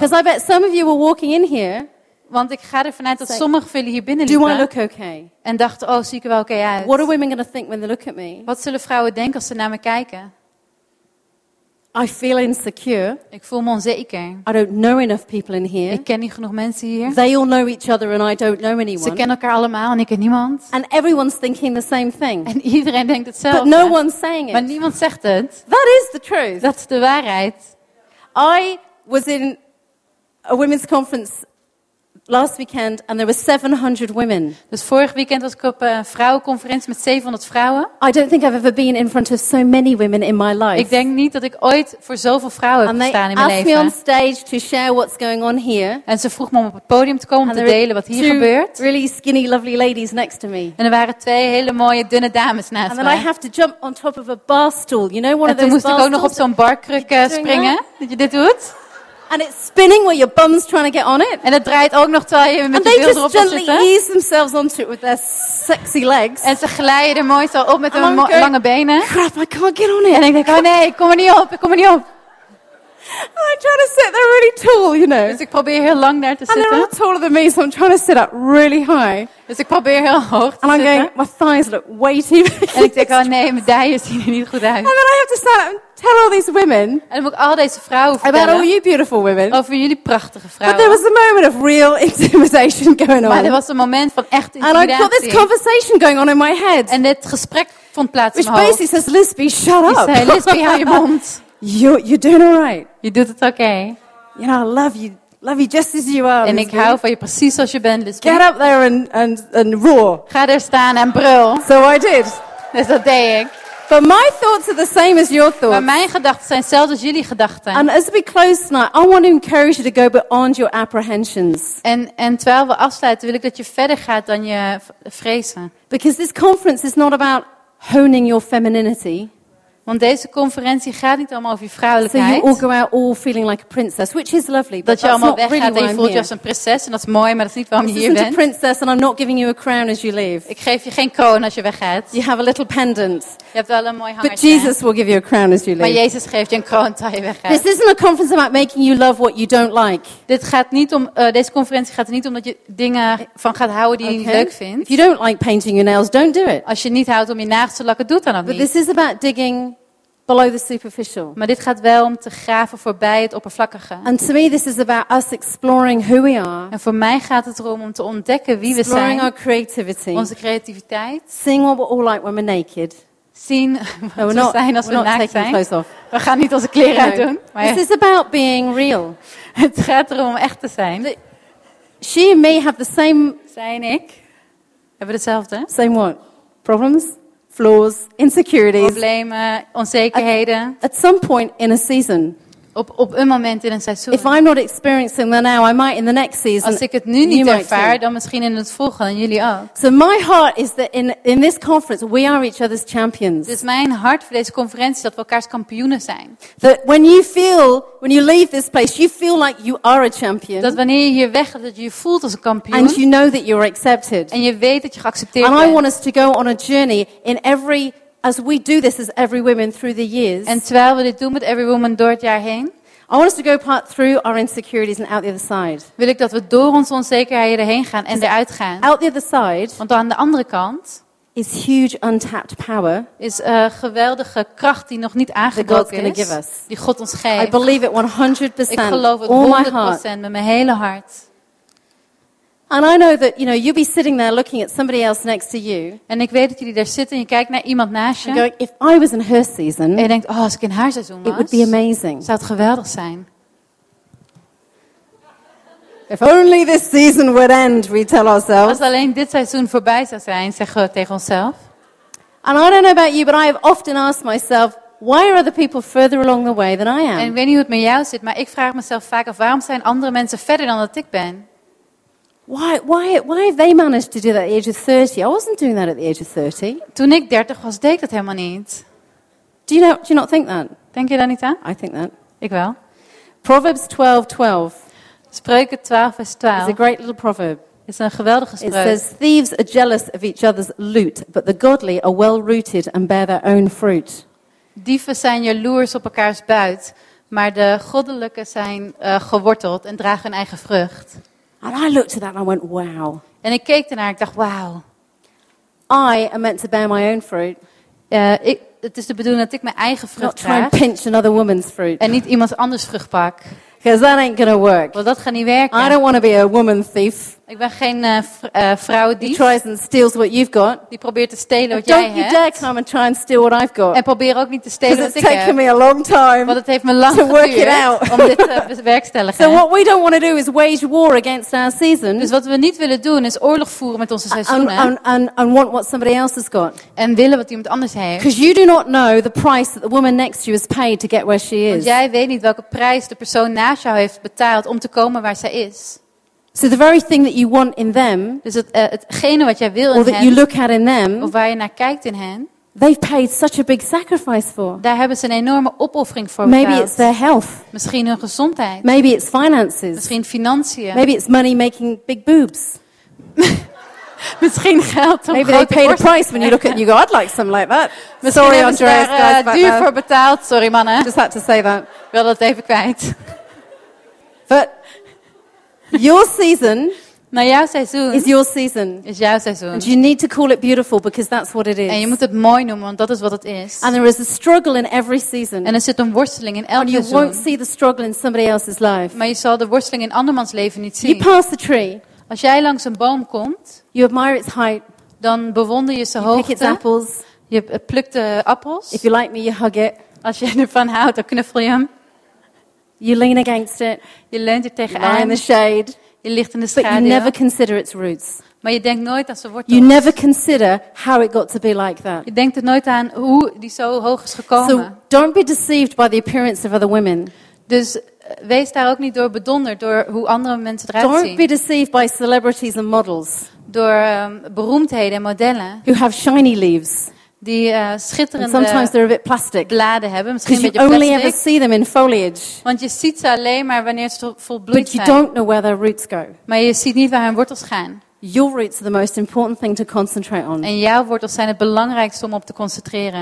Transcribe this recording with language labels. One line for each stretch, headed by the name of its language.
English: Because I bet some of you were walking in here.
Dutch: Want ik ga ervan uit dat sommige van jullie hier binnen liepen.
English: Do I look okay?
Dutch: En dachten, oh, zie ik er wel oké uit.
English: What are women going to think when they look at me?
Dutch: Wat zullen vrouwen denken als ze naar me kijken?
English: I feel insecure.
Dutch: Ik voel me onzeker.
English: I don't know enough people in here.
Dutch: Ik ken niet genoeg mensen hier.
English: They all know each other and I don't know anyone.
Dutch: Ze kennen elkaar allemaal en ik ken niemand.
English: And everyone's thinking the same thing.
Dutch: En iedereen denkt hetzelfde.
English: But no one's saying it.
Dutch: Maar niemand zegt het.
English: That is the truth.
Dutch: Dat is de waarheid.
English: I was in a women's conference last weekend and there were 700 women.
Dutch: Dus vorig weekend was ik op een vrouwenconferentie met 700 vrouwen.
English: I don't think I've ever been in front of so many women in my life.
Dutch: Ik denk niet dat ik ooit voor zoveel vrouwen heb gestaan in mijn leven.
English: And they asked me on stage to share what's going on here.
Dutch: En ze vroeg me om op het podium te komen om te delen wat hier gebeurt.
English: Really skinny lovely ladies next to me.
Dutch: En er waren twee hele mooie dunne dames naast
English: me. And then I have to jump on top of a bar stool. You know one of those bar stools.
Dutch: En toen moest ik ook nog op zo'n barkruk springen. Dat je dit doet.
English: And it's spinning while your bum's trying to get on it.
Dutch: En het draait ook nog terwijl je met
English: and
Dutch: je
English: they just
Dutch: erop
English: gently
Dutch: zitten.
English: Ease themselves onto it with their sexy legs.
Dutch: En ze glijden er mooi zo op met hun lange benen.
English: Crap, I can't get on it.
Dutch: En ik denk, oh nee, ik kom er niet op.
English: I'm trying to sit there really tall, you know.
Dutch: Dus ik probeer heel lang daar te
English: and
Dutch: zitten.
English: And they're all taller than me, so I'm trying to sit up really high.
Dutch: Dus ik probeer heel hoog te
English: and And I'm going, my thighs look way too big.
Dutch: En ik denk, oh nee, mijn dijen zien er niet goed uit.
English: And then I have to stand up and tell all these women.
Dutch: En dan moet ik al deze vrouwen vertellen.
English: About all you beautiful women.
Dutch: Over jullie prachtige vrouwen.
English: But there was a moment of real intimidation going on.
Dutch: Maar er was een moment van echt intimidatie.
English: And I got this conversation going on in my head.
Dutch: En dit gesprek vond plaats
English: which
Dutch: in mijn hoofd.
English: Which basically says, Lisbee, shut up.
Dutch: Die zei, Lisbee, hou je mond.
English: You're doing all right.
Dutch: Je doet het oké.
English: You know, I love you. Love you just as you are.
Dutch: En ik hou van je precies zoals je bent, Lisbee.
English: Get up there and roar.
Dutch: Ga daar staan en brul.
English: So I did.
Dutch: Dus dat deed ik.
English: But my thoughts are the same as your thoughts.
Dutch: Maar mijn gedachten zijn hetzelfde als jullie gedachten.
English: And as we close tonight, I want to encourage you to go beyond your apprehensions.
Dutch: En terwijl we afsluiten, wil ik dat je verder gaat dan je vrezen.
English: Because this conference is not about honing your femininity.
Dutch: Want deze conferentie gaat niet allemaal over je vrouwelijkheid.
English: So you all go out all feeling like a princess, which is lovely.
Dutch: Dat je allemaal weggaat en je voelt je als een prinses en dat is mooi, maar dat is niet waarom je hier bent.
English: This isn't a princess and I'm not giving you a crown as you leave.
Dutch: Ik geef je geen kroon als je weggaat.
English: You have a little pendant.
Dutch: Je hebt wel een mooi hangertje.
English: But Jesus will give you a crown as you leave.
Dutch: Maar Jezus geeft je een kroon terwijl je weggaat.
English: This isn't a conference about making you love what you don't like.
Dutch: Dit gaat niet om deze conferentie gaat er niet om dat je dingen van gaat houden die je leuk vindt.
English: If you don't like painting your nails, don't do it.
Dutch: Als je niet houdt om je nagels te lakken, doe dan ook niet.
English: But this is about digging below the superficial.
Dutch: Maar dit gaat wel om te graven voorbij het oppervlakkige.
English: And to me this is about us exploring who we are.
Dutch: En voor mij gaat het erom om te ontdekken wie we zijn.
English: Exploring our creativity.
Dutch: Onze creativiteit.
English: Seeing what we're all like when we're naked.
Dutch: Zien wat we zijn als we naakt zijn.
English: Clothes off.
Dutch: We gaan niet onze kleren uitdoen.
English: This is about being real.
Dutch: Het gaat erom om echt te zijn.
English: She and me have the same.
Dutch: Zij en ik hebben hetzelfde.
English: Same what? Problems? Flaws, insecurities,
Dutch: problemen, onzekerheden.
English: At some point in a season.
Dutch: Op een moment in een seizoen.
English: If I'm not experiencing that now, I might in the next season.
Dutch: Als ik het nu niet ervaar, dan misschien in het volgende en jullie ook.
English: So my heart is that in this conference we are each other's champions.
Dutch: Dus mijn hart voor deze conferentie is dat we elkaars kampioenen zijn.
English: That when you feel when you leave this place, you feel like you are a champion.
Dutch: Dat wanneer je hier weggaat, dat je je voelt als een kampioen.
English: And you know that you're accepted.
Dutch: En je weet dat je geaccepteerd
English: and
Dutch: bent.
English: And I want us to go on a journey in every. As we do this as every woman through the years.
Dutch: En terwijl we dit doen met every woman door het jaar heen.
English: I want us to go part through our insecurities and out the other side.
Dutch: Wil ik dat we door onze onzekerheden heen gaan en eruit gaan.
English: Out the other side.
Dutch: Want aan de andere kant.
English: Is huge untapped power.
Dutch: Is geweldige kracht die nog niet aangebroken is. Die God ons geeft.
English: I believe it 100%.
Dutch: Ik geloof het 100% met mijn hele hart.
English: And I know that you know you'll be sitting there looking at somebody else next to you.
Dutch: En ik weet dat jullie daar zitten en je kijkt naar iemand naast je.
English: And going, if I was in her season.
Dutch: En je denkt, oh, als ik in haar seizoen was.
English: It would be amazing.
Dutch: Zou het geweldig zijn.
English: If only this season would end, we tell ourselves.
Dutch: Als alleen dit seizoen voorbij zou zijn, zeggen we tegen onszelf.
English: And I don't know about you, but I have often asked myself. Why are other people further along the way than I am?
Dutch: En ik weet niet hoe het met jou zit, maar ik vraag mezelf vaak af waarom zijn andere mensen verder dan dat ik ben.
English: Why have they managed to do that at the age of 30? I wasn't doing that at the age of 30.
Dutch: Toen ik 30 was, deed ik dat helemaal niet.
English: Do you not think that?
Dutch: Denk je dat niet aan?
English: I think that.
Dutch: Ik wel.
English: Proverbs 12:12.
Dutch: Spreuken 12 vers 12.
English: It's a great little proverb. It's
Dutch: een geweldige spreuk.
English: It says, thieves are jealous of each other's loot, but the godly are well rooted and bear their own fruit.
Dutch: Dieven zijn jaloers op elkaars buit, maar de goddelijke zijn geworteld en dragen hun eigen vrucht.
English: And I looked at that and I went, wow.
Dutch: En ik keek ernaar en ik dacht, wow.
English: I am meant to bear my own fruit.
Dutch: Het is de bedoeling dat ik mijn eigen vrucht draag.
English: Not try and pinch another woman's fruit.
Dutch: En niet iemand anders vrucht pak.
English: Because that ain't gonna work.
Dutch: Want dat gaat niet werken.
English: I don't want to be a woman thief.
Dutch: Ik ben geen vrouwendief.
English: Who tries and steals what you've got.
Dutch: Die probeert te stelen wat jij hebt.
English: Don't you dare come and try and steal what I've got.
Dutch: En probeer ook niet te stelen wat ik heb.
English: It's taken me a long time.
Dutch: Want het heeft me lang
English: to work
Dutch: geduurd
English: it out.
Dutch: Om dit te bewerkstelligen.
English: So what we don't want to do is wage war against our season.
Dutch: Dus wat we niet willen doen is oorlog voeren met onze seizoenen.
English: And want what somebody else has got.
Dutch: En willen wat iemand anders heeft.
English: Because you do not know the price that the woman next to you has paid to get where she is.
Dutch: Want jij weet niet welke prijs de persoon naast jou heeft betaald om te komen waar zij is.
English: So the very thing that you want in them,
Dutch: dus hetgene wat jij wil in hen,
English: you look at in them,
Dutch: of waar je naar kijkt in hen,
English: they've paid such a big sacrifice for.
Dutch: Daar hebben ze een enorme opoffering voor betaald.
English: Maybe it's their health.
Dutch: Misschien hun gezondheid.
English: Maybe it's finances.
Dutch: Misschien financiën.
English: Maybe it's money making big boobs.
Dutch: Misschien geld om
English: maybe they paid a price when you look at you go, I'd like some like that. Sorry, Andreas, guys, about that.
Dutch: Duur voor betaald, sorry mannen.
English: Just had to say that.
Dutch: Ik wil dat even kwijt.
English: But your season,
Dutch: nou, jouw seizoen
English: is your season.
Dutch: Is jouw seizoen.
English: And you need to call it beautiful because that's what it is.
Dutch: En je moet het mooi noemen, want dat is wat het is.
English: And there is a struggle in every season.
Dutch: En er zit een worsteling in elk seizoen.
English: And you won't see the struggle in somebody else's life.
Dutch: Maar je zal de worsteling in andermans leven niet zien.
English: You pass the tree.
Dutch: Als jij langs een boom komt,
English: you admire its height.
Dutch: Dan bewonder je zijn hoogte.
English: You pick its apples.
Dutch: Je plukt de appels.
English: If you like me, you hug it.
Dutch: Als je ervan houdt, dan knuffel je hem.
English: You lean against it.
Dutch: Je leunt er tegenaan.
English: You lie in the shade.
Dutch: Je ligt in de schaduw.
English: But you never consider its roots.
Dutch: Maar je denkt nooit aan zijn wortels.
English: You never consider how it got to be like that.
Dutch: Je denkt er nooit aan hoe die zo hoog is gekomen.
English: So don't be deceived by the appearance of other women.
Dutch: Dus wees daar ook niet door bedonderd door hoe andere mensen eruit zien.
English: Don't be deceived by celebrities and models.
Dutch: Door beroemdheden en modellen.
English: Who have shiny leaves.
Dutch: die schitterende
English: sometimes they're a bit plastic.
Dutch: Bladen hebben.
English: Because you only ever see them in foliage.
Dutch: Want je ziet ze alleen maar wanneer ze vol bloed zijn.
English: But you don't know where their roots go.
Dutch: Maar je ziet niet waar hun wortels gaan.
English: Your roots are the most important thing to concentrate on.
Dutch: En jouw wortels zijn het belangrijkste om op te concentreren.